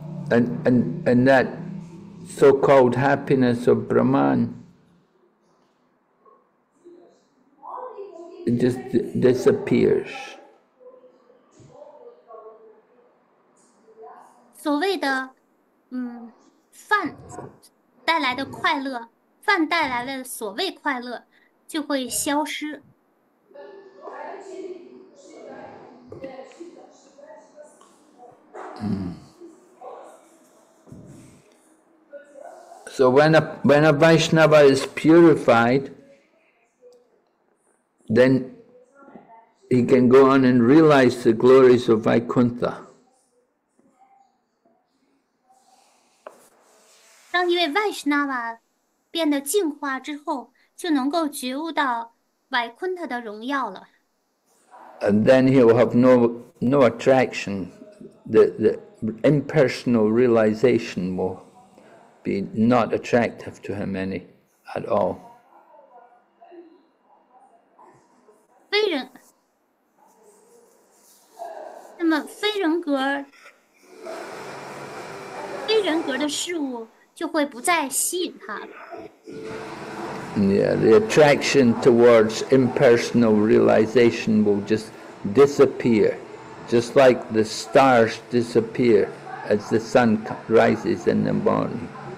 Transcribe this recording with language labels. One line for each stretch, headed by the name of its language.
English: And that so-called happiness of Brahman, it just disappears.
Chinese: 所谓的，梵带来的快乐，梵带来的所谓快乐就会消失。
English: So when a Vaishnava is purified, then he can go on and realize the glories of Vaikuntha.
Chinese: 当一位 Vaishnava 变得净化之后，就能够觉悟到 Vaikuntha 的荣耀了。
English: And then he will have no attraction. The impersonal realization will be not attractive to him any at all.
Chinese: 非人，那么非人格的事物就会不再吸引他了。
English: Yeah, the attraction towards impersonal realization will just disappear, just like the stars disappear as the sun rises in the morning.